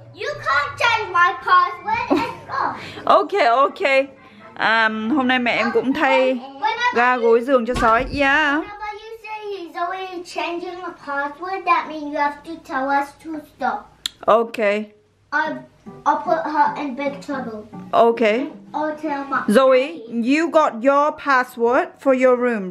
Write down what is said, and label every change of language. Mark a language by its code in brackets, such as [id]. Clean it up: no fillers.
[en] You can't change my password. Okay, okay. [vi] Hôm nay mẹ em cũng thay ga gối giường cho sói. [en] Yeah. Whenever you say he's always changing my password, that means you have to tell us to stop. Okay. I'll put her in big trouble. Okay. Zoe, you got your password for your room.